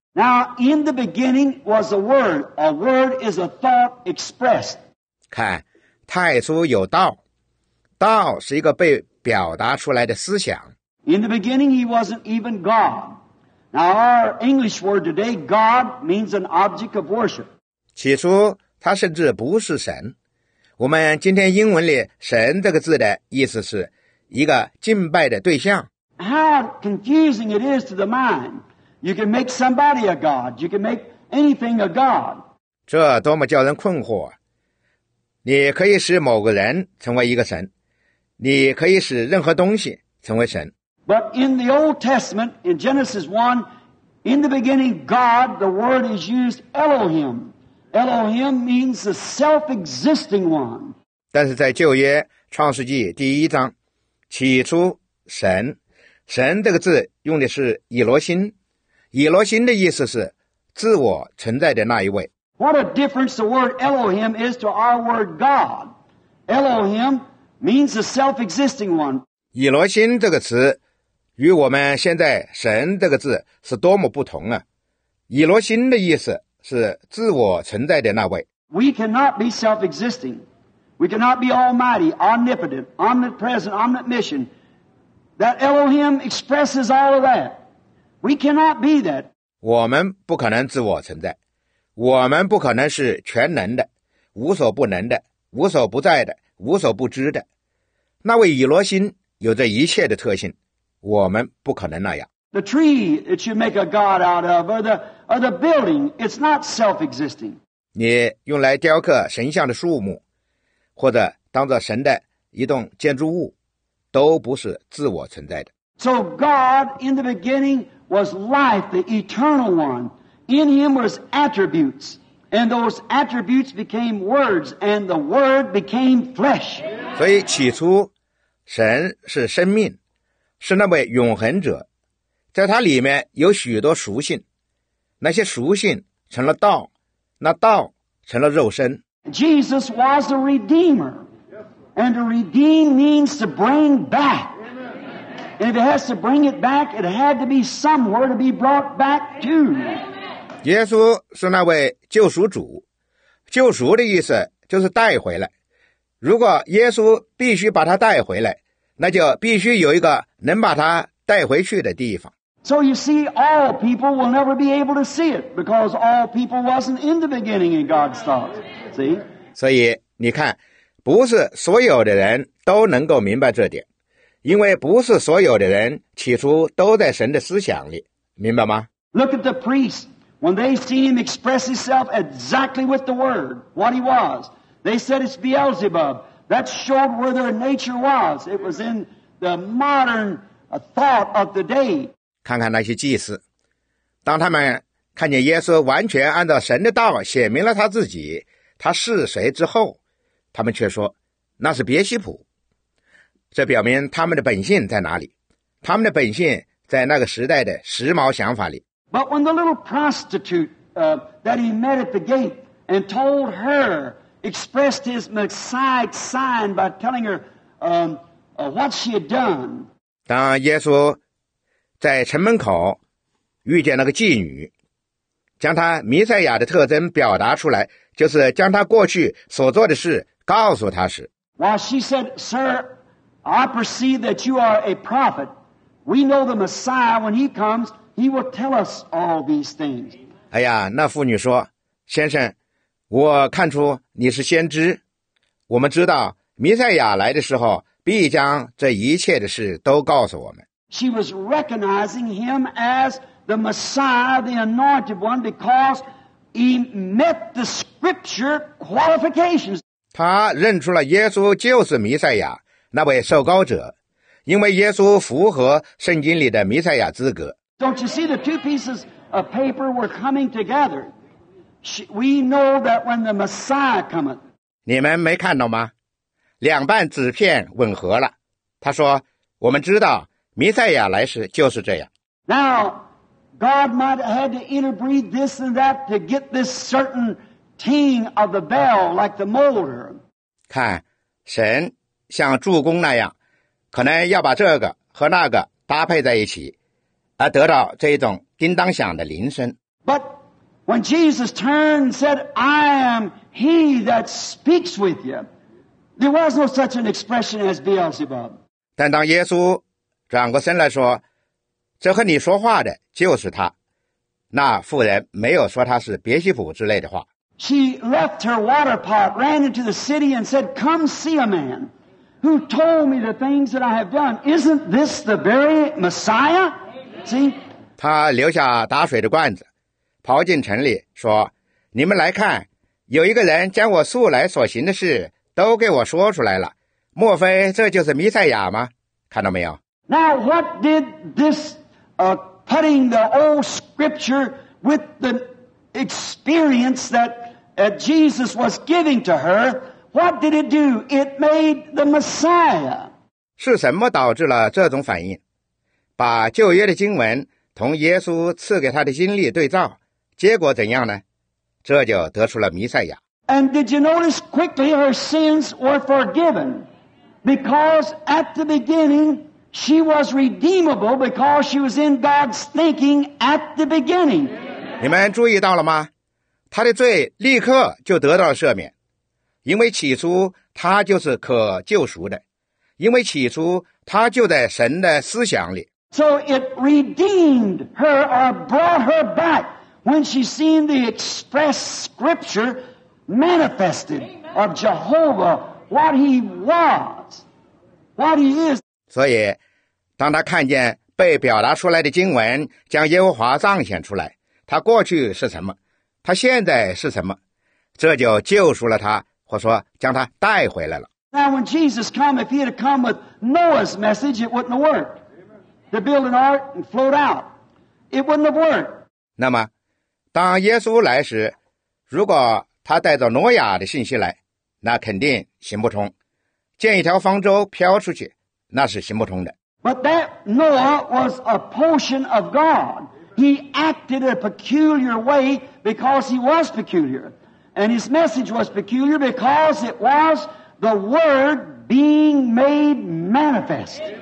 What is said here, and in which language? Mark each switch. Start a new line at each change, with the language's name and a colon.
English: Now, in the beginning was a word. A word is a thought expressed.
Chinese: 看，太初有道，道是一个被表达出来的思想。
English: In the beginning, he wasn't even God. Now, our English word today, God, means an object of worship.
Chinese: 起初，他甚至不是神。我们今天英文里“神”这个字的意思是一个敬拜的对象。
English: How confusing it is to the mind. You can make somebody a God. You can make anything a God.
Chinese: 这多么叫人困惑。你可以使某个人成为一个神。你可以使任何东西成为神。
English: But in the Old Testament, in Genesis 1, in the beginning, God, the word is used Elohim. Elohim means the self-existing one.
Chinese: 但是在旧约创世纪第一章，起初神，神这个字用的是以罗心，以罗心的意思是自我存在的那一位。
English: What a difference the word Elohim is to our word God. Elohim means the self-existing one.
Chinese: 以罗心这个词与我们现在神这个字是多么不同啊！以罗心的意思是自我存在的那位。
English: We cannot be self-existing. We cannot be almighty, omnipotent, omnipresent, omniscient. That Elohim expresses all of that. We cannot be that.
Chinese: 我们不可能自我存在，我们不可能是全能的，无所不能的，无所不在的，无所不知的。那位以罗心有着一切的特性，我们不可能那样。
English: The tree that you make a god out of, or the building, it's not self-existing.
Chinese: 你用来雕刻神像的树木，或者当作神的一栋建筑物，都不是自我存在的。
English: So God in the beginning was life, the eternal one. In Him was attributes, and those attributes became words, and the Word became flesh.
Chinese: 所以起初，神是生命，是那位永恒者，在他里面有许多属性，那些属性成了道，那道成了肉身。
English: Jesus was a redeemer. And to redeem means to bring back. And if it has to bring it back, it had to be somewhere to be brought back to.
Chinese: 耶稣是那位救赎主，救赎的意思就是带回来。如果耶稣必须把他带回来，那就必须有一个能把他带回去的地方。
English: So you see, all people will never be able to see it because all people wasn't in the beginning in God's thought. See?
Chinese: 所以你看，不是所有的人都能够明白这点，因为不是所有的人起初都在神的思想里，明白吗？
English: Look at the priest. When they see him express himself exactly with the word, what he was, they said it's Beelzebub. That showed where their nature was. It was in the modern thought of the day.
Chinese: 看看那些祭司，当他们看见耶稣完全按照神的道写明了他自己，他是谁之后，他们却说那是别西卜，这表明他们的本性在哪里，他们的本性在那个时代的时髦想法里。
English: But when the little prostitute that he met at the gate and told her expressed his Messiah sign by telling her what she had done,
Chinese: 当耶稣在城门口遇见那个妓女，将他弥赛亚的特征表达出来，就是将他过去所做的事告诉他时，
English: While she said, Sir, I perceive that you are a prophet. We know the Messiah, when he comes, he will tell us all these things.
Chinese: 哎呀，那妇女说，先生，我看出你是先知，我们知道弥赛亚来的时候必将这一切的事都告诉我们。
English: She was recognizing him as the Messiah, the anointed one, because he met the scripture qualifications.
Chinese: 他认出了耶稣就是弥赛亚，那位受膏者，因为耶稣符合圣经里的弥赛亚资格。
English: Don't you see the two pieces of paper were coming together? We know that when the Messiah cometh.
Chinese: 你们没看到吗？两半纸片吻合了。他说，我们知道弥赛亚来时就是这样。
English: Now, God might have had to interbreed this and that to get this certain ting of the bell like the motor.
Chinese: 看，神像铸工那样，可能要把这个和那个搭配在一起，而得到这一种叮当响的铃声。
English: But when Jesus turned and said, I am he that speaks with you, there was no such an expression as Beelzebub.
Chinese: 但当耶稣转过身来说，这和你说话的就是他，那妇人没有说他是别西卜之类的话。
English: She left her water pot, ran into the city and said, come see a man who told me the things that I have done. Isn't this the very Messiah? See?
Chinese: 他留下打水的罐子，跑进城里说，你们来看，有一个人将我素来所行的事都给我说出来了，莫非这就是弥赛亚吗？看到没有？
English: Now what did this putting the old scripture with the experience that Jesus was giving to her, what did it do? It made the Messiah.
Chinese: 是什么导致了这种反应？把旧约的经文同耶稣赐给他的经历对照，结果怎样呢？这就得出了弥赛亚。
English: And did you notice quickly her sins were forgiven? Because at the beginning, she was redeemable because she was in God's thinking at the beginning.
Chinese: 你们注意到了吗？他的罪立刻就得到了赦免，因为起初他就是可救赎的，因为起初他就在神的思想里。
English: So it redeemed her or brought her back when she seen the express scripture manifested of Jehovah, what he was, what he is.
Chinese: 所以当他看见被表达出来的经文将耶和华彰显出来，他过去是什么，他现在是什么，这就救赎了他，或说将他带回来了。
English: Now when Jesus come, if he had come with Noah's message, it wouldn't have worked. To build an ark and float out. It wouldn't have worked.
Chinese: 那么当耶稣来时，如果他带着挪亚的信息来，那肯定行不通。建一条方舟飘出去，那是行不通的。
English: But that Noah was a portion of God. He acted a peculiar way because he was peculiar. And his message was peculiar because it was the word being made manifest.